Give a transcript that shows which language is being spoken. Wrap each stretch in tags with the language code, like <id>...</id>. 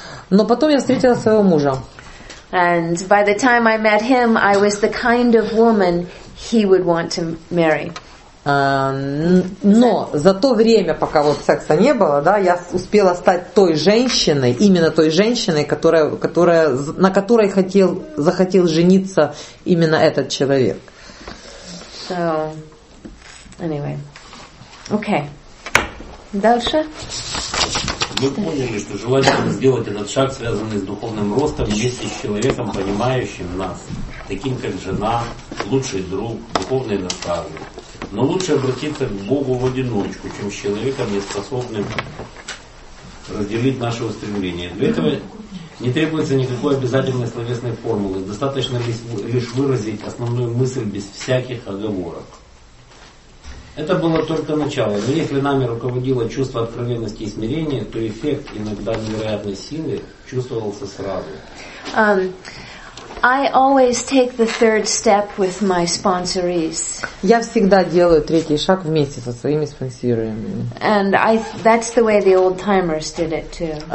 <ru>Но потом я встретила своего мужа.</ru> <en>And by the time I met him, I was the kind of woman he would want to marry.</en> <ru>Но за то время, пока вот секса не было, да, я успела стать той женщиной, именно той женщиной, которая на которой захотел жениться именно этот человек.</ru> <en>So, anyway. Okay.</en> <ru>Дальше. Мы поняли, что желательно сделать этот шаг, связанный с духовным ростом, вместе с человеком, понимающим нас, таким как жена, лучший друг, духовный наставник. Но лучше обратиться к Богу в одиночку, чем с человеком, не способным разделить наше устремление. Для этого не требуется никакой обязательной словесной формулы. Достаточно лишь выразить основную мысль без всяких оговорок. Это было только начало, но если нами руководило чувство откровенности и смирения, то эффект иногда невероятной силы чувствовался сразу.</ru> <en>I always take the third step with my sponsorees.</en> <ru>Я всегда делаю третий шаг вместе со своими спонсорами.</ru> <en>And that's the way the old timers did it too.</en>